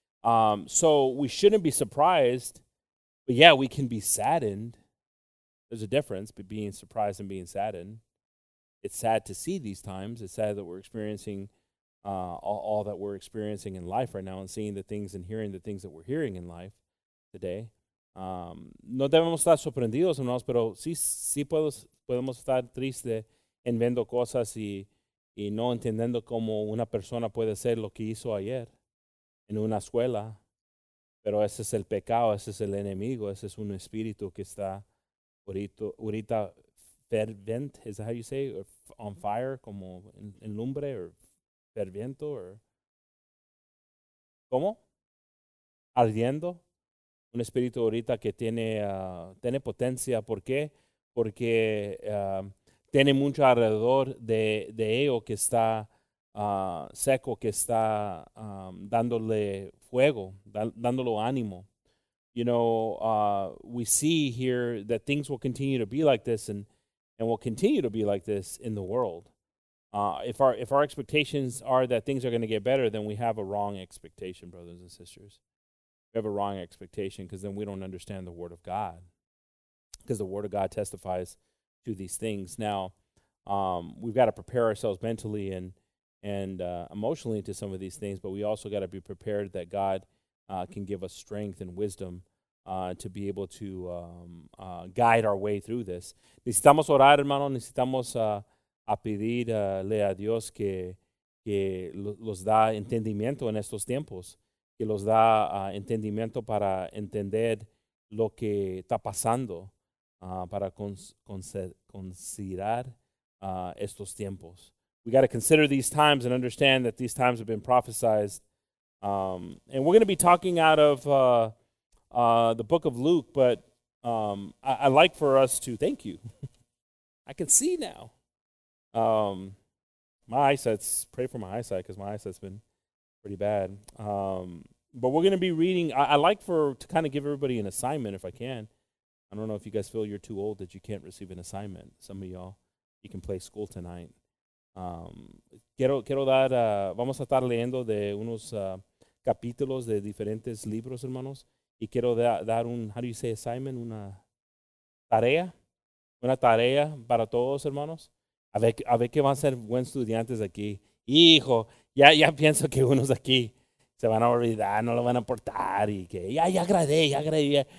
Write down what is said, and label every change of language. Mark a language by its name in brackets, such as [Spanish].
[English] So we shouldn't be surprised, but yeah, we can be saddened. There's a difference between being surprised and being saddened. It's sad to see these times. It's sad that we're experiencing all that we're experiencing in life right now, and seeing the things and hearing the things that we're hearing in life today. [Spanish] No debemos estar sorprendidos, hermanos, pero sí podemos estar tristes en viendo cosas y no entendiendo cómo una persona puede hacer lo que hizo ayer en una escuela. Pero ese es el pecado, ese es el enemigo, ese es un espíritu que está ahorita fervent. [English] Is that how you say it? Or on fire, [Spanish] como en lumbre, [English] or ferviento, or ¿cómo? Ardiendo. [Spanish] Un espíritu ahorita que tiene potencia. ¿Por qué? Porque tiene mucho alrededor de ello que está seco, que está dándole fuego, dándolo ánimo. [English] You know, we see here that things will continue to be like this and will continue to be like this in the world. If our expectations are that things are going to get better, then we have a wrong expectation, brothers and sisters. We have a wrong expectation, because then we don't understand the Word of God, because the Word of God testifies to these things. Now, we've got to prepare ourselves mentally and emotionally to some of these things, but we also got to be prepared that God can give us strength and wisdom to be able to guide our way through this. [Spanish] Necesitamos orar, hermano. Necesitamos a pedirle a Dios que los da entendimiento en estos tiempos. Que los da entendimiento para entender lo que está pasando, para considerar estos tiempos. [English] We got to consider these times and understand that these times have been prophesied. And we're going to be talking out of the book of Luke, but I like for us to, thank you. I can see now. My eyesight's, pray for my eyesight, because my eyesight's been pretty bad. But we're going to be reading. I like for to kind of give everybody an assignment if I can. I don't know if you guys feel you're too old that you can't receive an assignment. Some of y'all, you can play school tonight. [Spanish] Quiero dar, vamos a estar leyendo de unos capítulos de diferentes libros, hermanos. Y quiero dar un, [English] how do you say assignment? [Spanish] Una tarea para todos, hermanos. A ver qué van a ser buen estudiantes aquí. Hijo, ya pienso que unos aquí se van a olvidar, no lo van a portar y que ya agradé.